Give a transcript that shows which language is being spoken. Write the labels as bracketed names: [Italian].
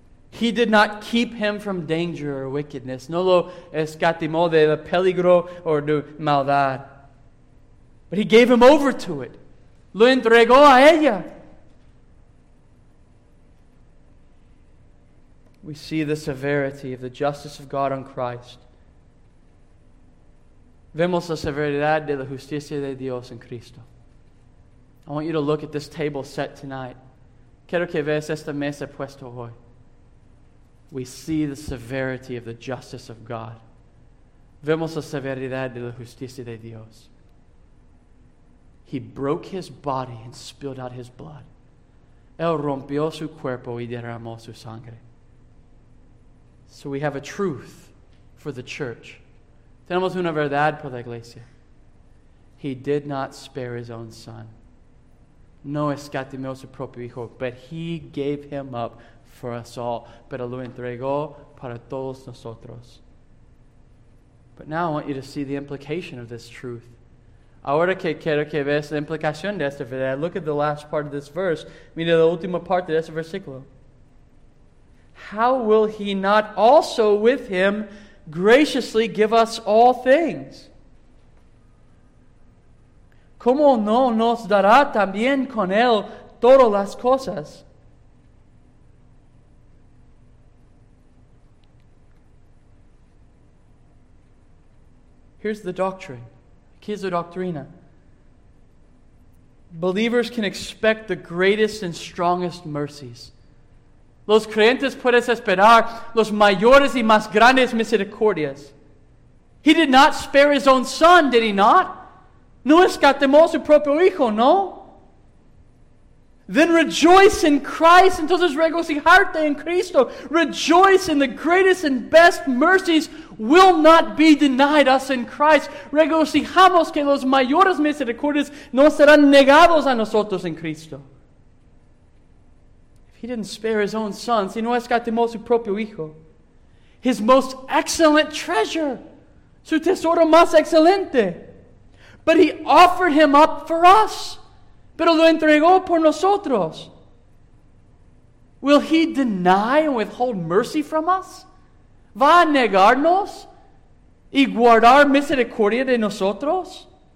[English] He did not keep him from danger or wickedness. [Spanish] No lo escatimó de peligro o de maldad. [English] But he gave him over to it. [Spanish] Lo entregó a ella. [English] We see the severity of the justice of God on Christ. [Spanish] Vemos la severidad de la justicia de Dios en Cristo. [English] I want you to look at this table set tonight. [Spanish] Quiero que veas esta mesa puesta hoy. [English] We see the severity of the justice of God. [Spanish] Vemos la severidad de la justicia de Dios. [English] He broke his body and spilled out his blood. [Spanish] Él rompió su cuerpo y derramó su sangre. [English] So we have a truth for the church. [Spanish] Tenemos una verdad para la iglesia. [English] He did not spare his own son. [Spanish] No escatimó su propio hijo, [English] but he gave him up for us all. [Spanish] Pero lo entregó para todos nosotros. [English] But now I want you to see the implication of this truth. [Spanish] Ahora que quiero que veas la implicación de esta verdad, [English] look at the last part of this verse. [Spanish] Mira la última parte de este versículo. [English] How will he not also with him graciously give us all things? [Spanish] ¿Cómo no nos dará también con él todas las cosas? [English] Here's the doctrine. [Spanish] Aquí es la doctrina. [English] Believers can expect the greatest and strongest mercies. [Spanish] Los creyentes pueden esperar los mayores y más grandes misericordias. [English] He did not spare his own son, did he not? [Spanish] No escatimó su propio hijo, ¿no? [English] Then rejoice in Christ. [Spanish] Entonces regocijarte en Cristo. [English] Rejoice in the greatest and best mercies will not be denied us in Christ. [Spanish] Regocijamos que los mayores misericordias no serán negados a nosotros en Cristo. [English] If he didn't spare his own son, [Spanish] si no escatimó su propio hijo, [English] his most excellent treasure, [Spanish] su tesoro más excelente, [English] but he offered him up for us. [Spanish] Pero lo entregó por nosotros. [English] Will he deny and withhold mercy from us? [Spanish] ¿Va a negarnos y guardar misericordia de nosotros?